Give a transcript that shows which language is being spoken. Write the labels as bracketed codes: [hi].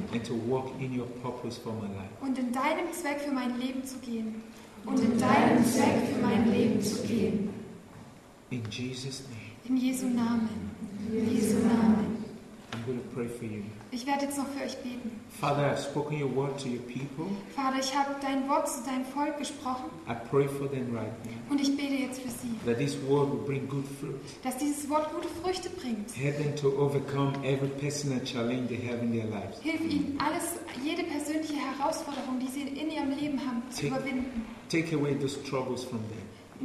[en] And to walk in your purpose for my life. [de] Und in deinem Zweck für mein Leben zu gehen. Und in deinem Zweck für mein Leben zu gehen. [en] In Jesus' name. [de] In Jesu Namen. In Jesu Namen. [en] I'm going to pray for you. [de] Ich werde jetzt noch für euch beten. [en] Father, I've spoken your word to your people. [de] Vater, ich habe dein Wort zu deinem Volk gesprochen. [en] I pray for them right now. [de] Und ich bete jetzt für sie. [en] That this word will bring good fruit. [de] Dass dieses Wort gute Früchte bringt. [en] Help them to overcome every personal challenge they have in their lives. [de] Hilf ihnen alles, jede persönliche Herausforderung, die sie in ihrem Leben haben, zu überwinden. [en] Take away those troubles from them.